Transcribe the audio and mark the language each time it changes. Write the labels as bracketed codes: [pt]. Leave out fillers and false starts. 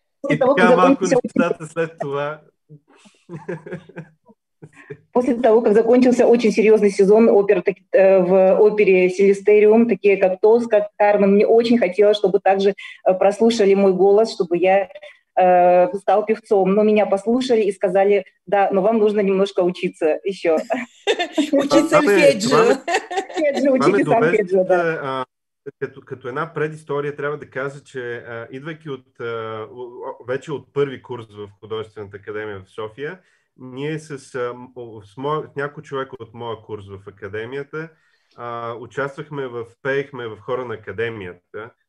[bg] И така малко нещата след това. [ru] После того, как закончился очень серьезный сезон в опере «Силистериум», такие как Тос, как Кармен, мне очень хотелось, чтобы также прослушали мой голос, чтобы я стал певцом, но меня послушали и сказали: да, но вам нужно немножко учиться еще. Учиться в Феджо. Учите сам Феджо, да. [bg] Като една предистория трябва да кажа, че идвайки вече от първи курс в Художествената академия в София, ние с някой човек от моя курс в академията участвахме пеехме в хора на академията.